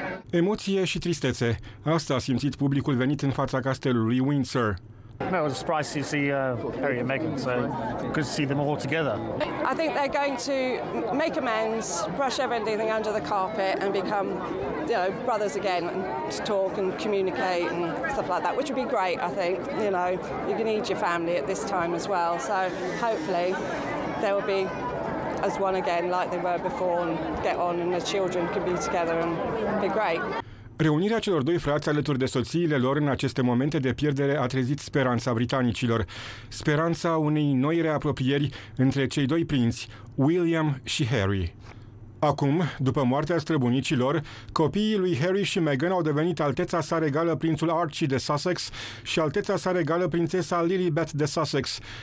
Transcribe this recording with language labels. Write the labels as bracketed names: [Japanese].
[Romanian] Emoție și tristețe. Asta a simțit publicul venit în fața castelului Windsor. [English] No, it was a surprise to see Harry and Meghan, so good to see them all together. I think they're going to make amends, brush everything under the carpet and become, you know, brothers again and to talk and communicate and stuff like that, which would be great, I think. You know, you can need your family at this time as well. So hopefully they will be as one again like they were before and get on and the children can be together and be great. [Romanian] Reunirea celor doi frați alături de soțiile lor în aceste momente de pierdere a trezit speranța britanicilor. Speranța unei noi reapropieri între cei doi prinți, William și Harry. Acum, după moartea străbunicilor, copiii lui Harry și Meghan au devenit Alteța sa regală prințul Archie de Sussex și Alteța sa regală prințesa Lilibet de Sussex.